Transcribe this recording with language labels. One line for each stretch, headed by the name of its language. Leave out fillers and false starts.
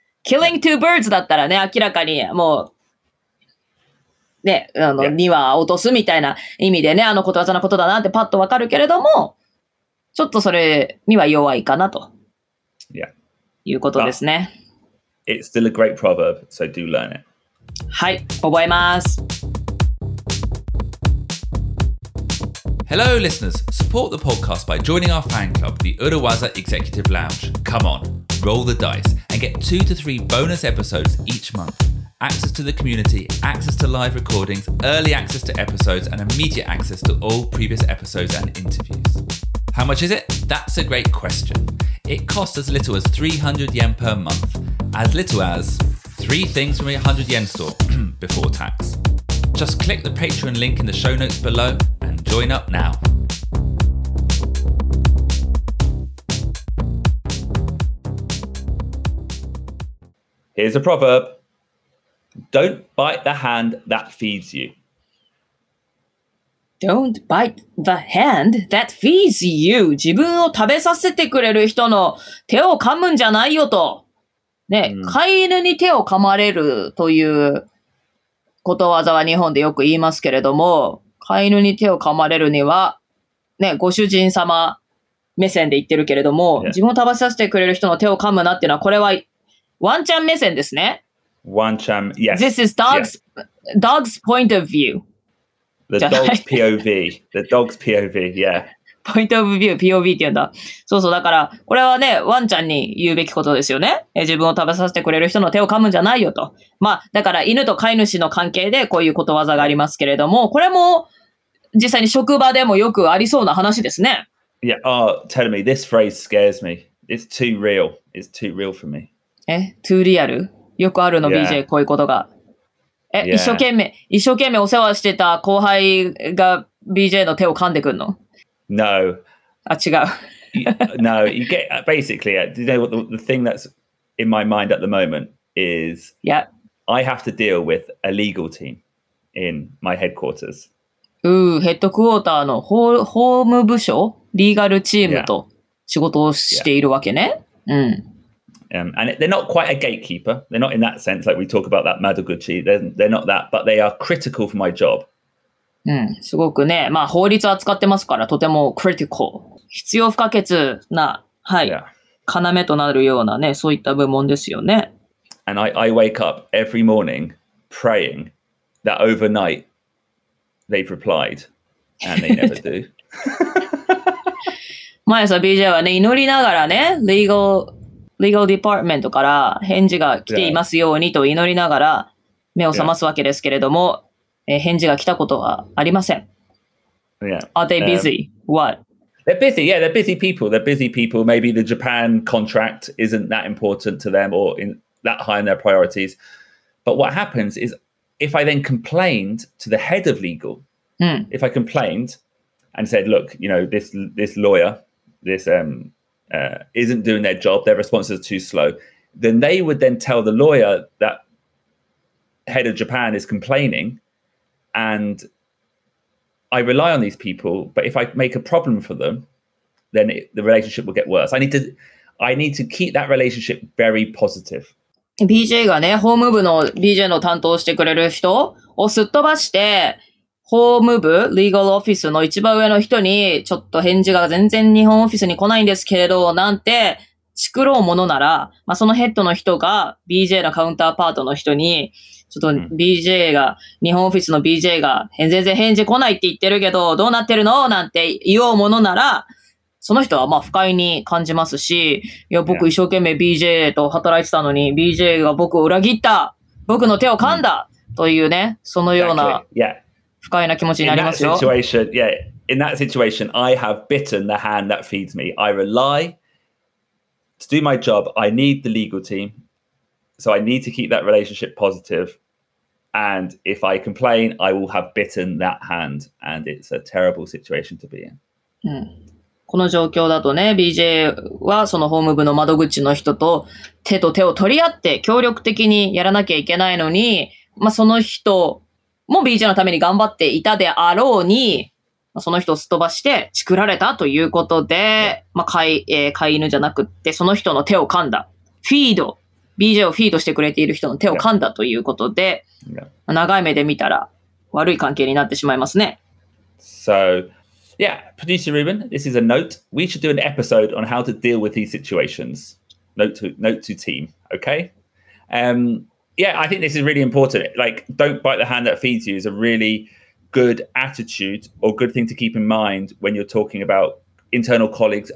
English: killing two birds
Japanese: だったらね、明らかにもう、ね、あの、2羽落とすみたいな意味でね、あのことわざのことだなってパッとわかるけれども、ちょっとそれには弱いかなと、
English: yeah.
Japanese: いうことですね。
English: But、it's still a great proverb, so do learn it.
Japanese: はい、覚えます。
English: Hello, listeners. Support the podcast by joining our fan club, the Urawaza Executive Lounge. Come on, roll the dice and get 2 to 3 bonus episodes each month. Access to the community, access to live recordings, early access to episodes and immediate access to all previous episodes and interviews. How much is it? That's a great question. It costs as little as 300 yen per month. As little as 3 things from a 100 yen store before tax. Just click the Patreon link in the show notes below and join up now. Here's a proverb. Don't bite the hand that feeds you. Don't bite the hand that feeds you.
Japanese: 自分を食べさせてくれる人の手を噛むんじゃないよと。ね、うん、飼い犬に手を噛まれるということわざは日本でよく言いますけれども、飼い犬に手を噛まれるには、ね、ご主人様目線で言ってるけれども、自分を食べさせてくれる人の手を噛むなっていうのは、これはワンちゃん目線ですね。
English: One cham. Yes. This is dog's dog's point of view. The dog's POV. The dog's POV. Yeah.
Japanese: ポイントオブビュー、POV って言うんだ。そうそう、だから、これはね、ワンちゃんに言うべきことですよね。自分を食べさせてくれる人の手を噛むんじゃないよと。まあ、だから犬と飼い主の関係でこういうことわざがありますけれども、これも実際に職場でもよくありそうな話ですね。
English: Yeah, oh, tell me, this phrase scares me. It's too real. It's too real for me. え、too real?
Japanese: よくあるの、BJ、こういうことが。え、一生懸命、一生懸命お世話してた後輩が BJ の手を噛んでくるの？
English: No.
Japanese: あ、違う。
English: No, you get, basically, you know, the thing that's in my mind at the moment is I have to deal with a legal team in my headquarters.
Japanese: Ooh, headquarter の法務部署、リーガルチームと仕事をしているわけね。
English: Yeah. Yeah. うん。 And they're not quite a gatekeeper. They're not in that sense, like we talk about that Madoguchi. They're not that, but they are critical for my job.
Japanese: うん、すごくね、まあ法律扱ってますからとても critical 必要不可欠な、はい、要となるようなね、そういった部門ですよね。
English: And I wake up every morning praying that overnight they've replied and they never do.
Japanese: 毎朝 BJ はね、祈りながらね、legal department から返事が来ていますようにと祈りながら目を覚ますわけですけれども。
English: Yeah.
Japanese: 返事が来たことはありません。
English: Yeah. Are they busy? What? They're busy. Yeah, they're busy people. They're busy people. Maybe the Japan contract isn't that important to them or in that high in their priorities. But what happens is if I then complained to the head of legal, if I complained and said, look, you know, this lawyer, this isn't doing their job, their response is too slow, then they would then tell the lawyer that head of Japan is complaining. And I rely on these people, but if I make a problem for them, then the relationship will get worse. I need to keep that relationship very positive.
Japanese: BJ がね、法務部の BJ の担当してくれる人をすっ飛ばして、法務部、legal office の一番上の人に、ちょっと返事が全然日本オフィスに来ないんですけれど、なんて、チクろうものなら、まあ、そのヘッドの人が BJ のカウンターパートの人に、ちょっと BJ が、日本オフィスの BJ が、全然返事来ないって言ってるけど、どうなってるのなんて言おうものなら、その人はまあ不快に感じますし、いや、僕一生懸命 BJ と働いてたのに、BJ が僕を裏切った僕の手を噛んだ、というね、そのような、不快な気持ちになりますよ。
English: In that situation, yeah, in that situation, I have bitten the hand that feeds me. I rely to do my job. I need the legal team. So I need to keep that relationship positive. And if I complain, I will have bitten that hand. And it's a terrible situation to be in.、
Japanese: うん、この状況だとね、BJ はその法務部の窓口の人と手と手を取り合って協力的にやらなきゃいけないのに、まあ、その人も BJ のために頑張っていたであろうに、その人をすっ飛ばしてチクられたということで、まあ飼い犬じゃなくってその人の手を噛んだ。フィード。 BJ をフィードしてくれている人の手を噛んだということで、長い目で見たら悪い関係になってしまいますね。
English: So, yeah, producer Ruben, this is a note. We should do an episode on how to deal with these situations. Note to team, okay? Yeah, I think this is really important. Like, don't bite the hand that feeds you is a really good attitude or good thing to keep in mind when you're talking about internal colleagues.